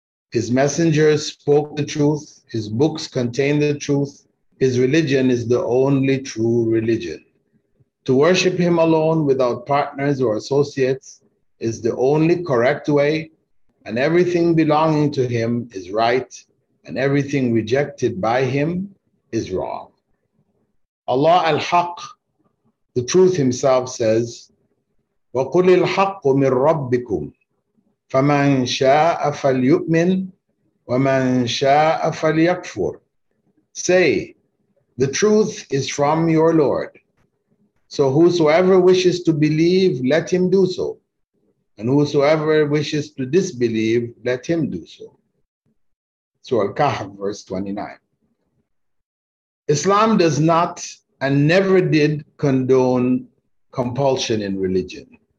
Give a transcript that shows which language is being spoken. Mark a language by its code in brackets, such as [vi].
[en] His messengers spoke the truth, his books contain the truth, his religion is the only true religion. To worship him alone without partners or associates is the only correct way, and everything belonging to him is right, and everything rejected by him is wrong. Allah al-Haqq, the truth himself, says, [ar] وَقُلِ الْحَقُّ مِنْ رَبِّكُمْ فَمَنْ شَاءَ فَلْيُؤْمِنْ وَمَنْ شَاءَ فَلْيَكْفُرْ. [en] Say, the truth is from your Lord. So whosoever wishes to believe, let him do so. And whosoever wishes to disbelieve, let him do so. Surah Al-Kahf, verse 29. Islam does not and never did condone compulsion in religion.